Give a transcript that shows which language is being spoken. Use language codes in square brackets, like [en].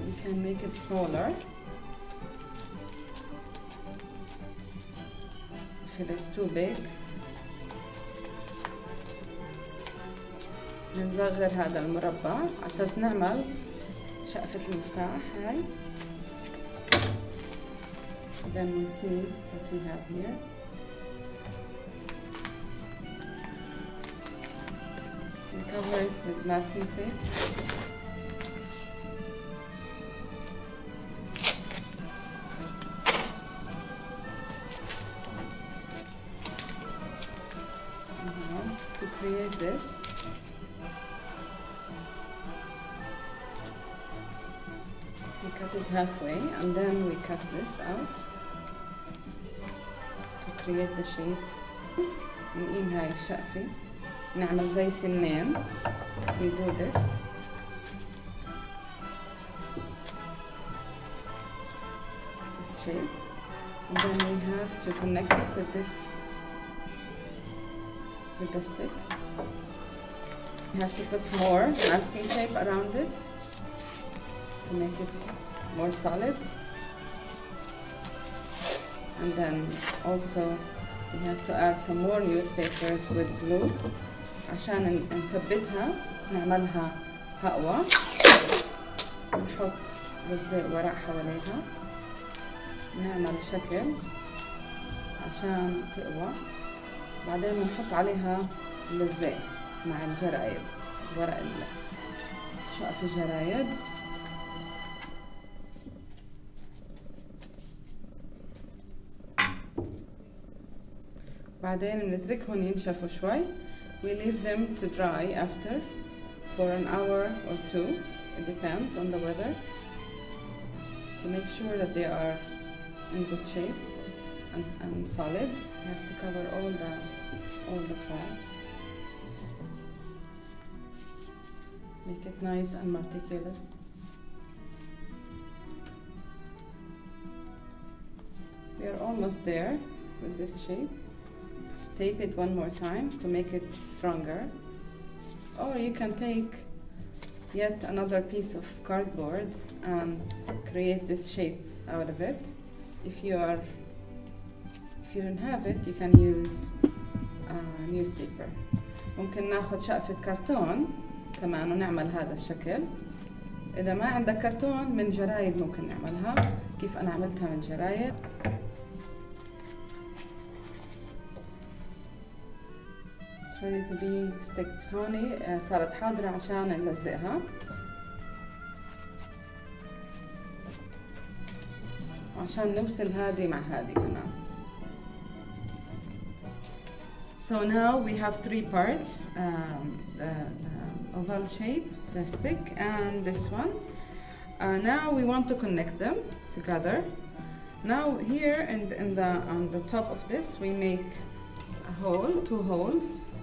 [en] And make it smaller if it is too big. [ar] بنصغر هذا المربع عشان نعمل شقفة المفتاح هاي. [en] Then we see what we have here. We cover it with masking tape. Create this. We cut it halfway and then we cut this out to create the shape. [ar] نقيم هاي الشقفة، نعمل زي سنين. [en] We do this. This shape. And then we have to connect it with this. With the stick. You have to put more masking tape around it to make it more solid. And then also we have to add some more newspapers with glue [ar] عشان نثبتها نعملها أقوى. نحط لزق ورق حواليها، نعمل شكل عشان تقوى، بعدين بنحط عليها اللزق مع الجرايد، ورق شقف الجرايد. بعدين بنتركهم ينشفوا شوي. [en] We leave them to dry after for an hour or two. It depends on the weather. To make sure that they are in good shape and solid. You have to cover all the parts. Make it nice and meticulous. We are almost there with this shape. Tape it one more time to make it stronger. Or you can take yet another piece of cardboard and create this shape out of it. If you don't have it, you can use a newspaper. [ar] ممكن ناخذ شقفة كرتون كمان ونعمل هذا الشكل. إذا ما عندك كرتون من جرايد ممكن نعملها. كيف أنا عملتها من جرايد؟ [en] It's ready to be sticked. [ar] هوني صارت حاضرة عشان نلزقها. عشان نوصل هذه مع هذه كمان. [en] So now we have three parts, the oval shape, the stick, and this one. Now we want to connect them together. Now here on the top of this, we make a hole, two holes.